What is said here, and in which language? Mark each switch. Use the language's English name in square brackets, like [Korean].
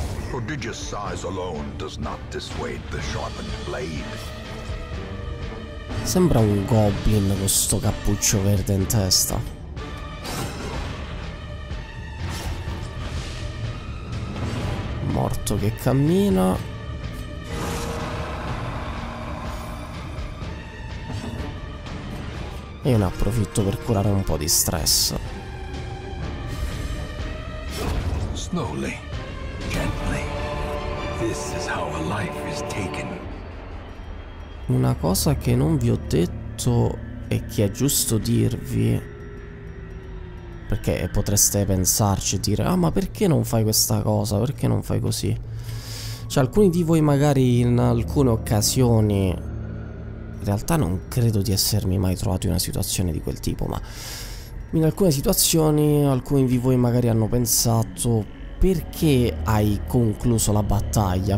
[English] Prodigious size alone does not dissuade the sharpened blade. [Italian] Sembra un goblin con sto cappuccio verde in testa. Morto che cammina. E ne approfitto per curare un po' di stress. [English] Slowly, gently. This is how a life is taken. [Italian] Una cosa che non vi ho detto e che è giusto dirvi, perché potreste pensarci e dire: ah, ma perché non fai questa cosa? Perché non fai così? Cioè, alcuni di voi magari in alcune occasioni, in realtà non credo di essermi mai trovato in una situazione di quel tipo, ma in alcune situazioni alcuni di voi magari hanno pensato: perché hai concluso la battaglia?